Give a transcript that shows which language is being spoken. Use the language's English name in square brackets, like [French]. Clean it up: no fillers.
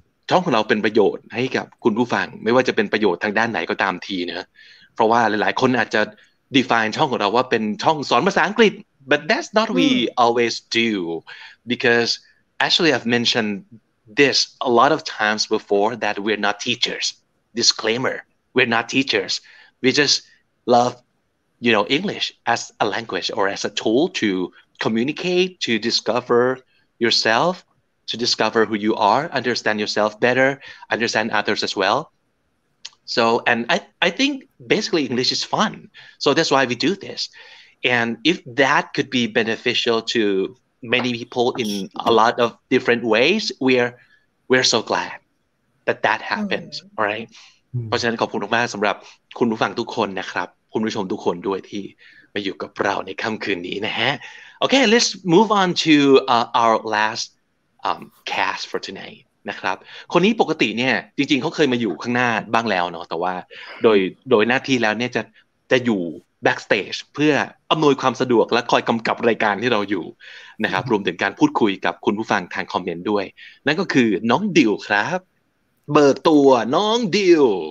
[Thai] ช่องของเราเป็นประโยชน์ให้กับคุณผู้ฟังไม่ว่าจะเป็นประโยชน์ทางด้านไหนก็ตามทีนะเพราะว่าหลายๆคนอาจจะ define ช่องของเราว่าเป็นช่องสอนภาษาอังกฤษ [English] But that's not what we always do, because actually I've mentioned this a lot of times before that we're not teachers. Disclaimer, we're not teachers. We just love, you know, English as a language or as a tool to communicate, to discover yourself, to discover who you are, understand yourself better, understand others as well. So, and I think basically English is fun. So that's why we do this. And if that could be beneficial to many people in a lot of different ways, we're so glad that happens, right? [Thai] เพราะฉะนั้นขอบคุณมากสำหรับคุณผู้ฟังทุกคนนะครับคุณผู้ชมทุกคนด้วยที่มาอยู่กับเราในค่ำคืนนี้นะฮะ [English] Okay, let's move on to our last cast for tonight. [Thai] นะครับคนนี้ปกติเนี่ยจริงๆเขาเคยมาอยู่ข้างหน้าบ้างแล้วเนาะแต่ว่าโดยหน้าที่แล้วเนี่ยจะอยู่แบ็กสเตจเพื่ออำนวยความสะดวกและคอยกำกับรายการที่เราอยู่นะครับรวมถึงการพูดคุยกับคุณผู้ฟังทางคอมเมนต์ด้วยนั่นก็คือน้องดิวครับเบิกตัวน้องดิว